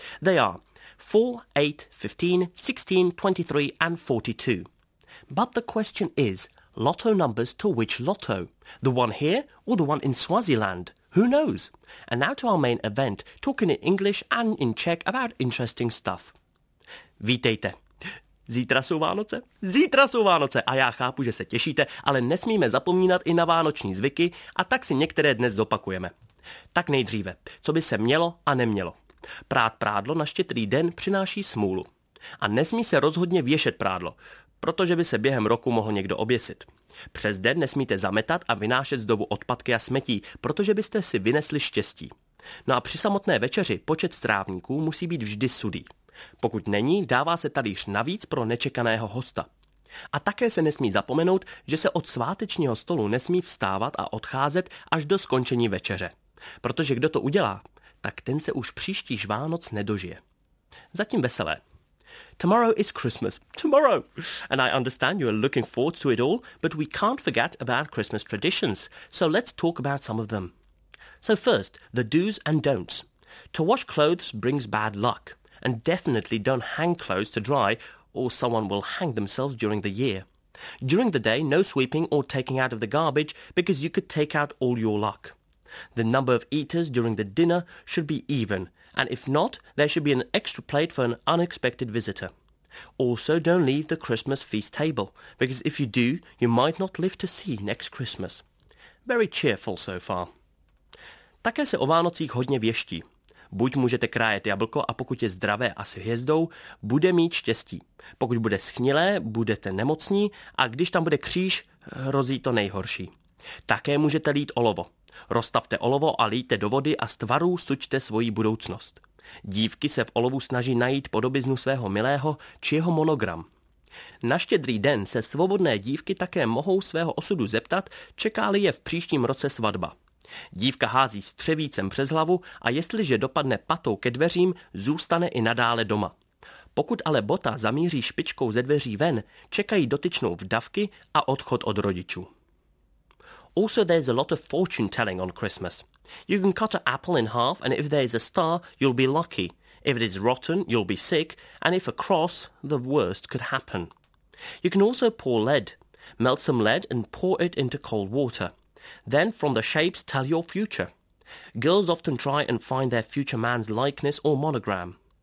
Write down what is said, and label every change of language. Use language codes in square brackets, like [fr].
[en] They are 4, 8, 15, 16, 23 and 42. But the question is, lotto numbers to which lotto? The one here or the one in Swaziland? Who knows? And now to our main event, talking in English and in Czech about interesting stuff. [cs] Vítejte. Zítra jsou Vánoce? Zítra jsou Vánoce a já chápu, že se těšíte, ale nesmíme zapomínat i na vánoční zvyky a tak si některé dnes zopakujeme. Tak nejdříve, co by se mělo a nemělo. Prát prádlo na štědrý den přináší smůlu. A nesmí se rozhodně věšet prádlo, protože by se během roku mohl někdo oběsit. Přes den nesmíte zametat a vynášet z domu odpadky a smetí, protože byste si vynesli štěstí. No a při samotné večeři počet strávníků musí být vždy sudý. Pokud není, dává se talíř navíc pro nečekaného hosta. A také se nesmí zapomenout, že se od svátečního stolu nesmí vstávat a odcházet až do skončení večeře. Protože kdo to udělá, tak ten se už příští Vánoc nedožije. Zatím veselé. [en] Tomorrow is Christmas. Tomorrow! And I understand you are looking forward to it all, but we can't forget about Christmas traditions, so let's talk about some of them. So first, the do's and don'ts. To wash clothes brings bad luck, and definitely don't hang clothes to dry, or someone will hang themselves during the year. During the day, no sweeping or taking out of the garbage, because you could take out all your luck. The number of eaters during the dinner should be even, and if not, there should be an extra plate for an unexpected visitor. Also, don't leave the Christmas feast table, because if you do, you might not live to see next Christmas. Very cheerful so far. [cs] Také se o Vánocích hodně věští. Buď můžete krájet jablko a pokud je zdravé a s hvězdou, bude mít štěstí. Pokud bude schnilé, budete nemocní a když tam bude kříž, hrozí to nejhorší. Také můžete lít olovo. Rozstavte olovo a lijte do vody a z tvarů suďte svoji budoucnost. Dívky se v olovu snaží najít podobiznu svého milého či jeho monogram. Na štědrý den se svobodné dívky také mohou svého osudu zeptat, čeká-li je v příštím roce svatba. Dívka hází střevícem přes hlavu a jestliže dopadne patou ke dveřím, zůstane i nadále doma. Pokud ale bota zamíří špičkou ze dveří ven, čekají dotyčnou vdavky a odchod od rodičů. [en] Also, there's a lot of fortune-telling on Christmas. You can cut an apple in half, and if there's a star, you'll be lucky. If it is rotten, you'll be sick, and if a cross, the worst could happen. You can also pour lead. Melt some lead and pour it into cold water. Then, from the shapes, tell your future. Girls often try and find their future man's likeness or monogram.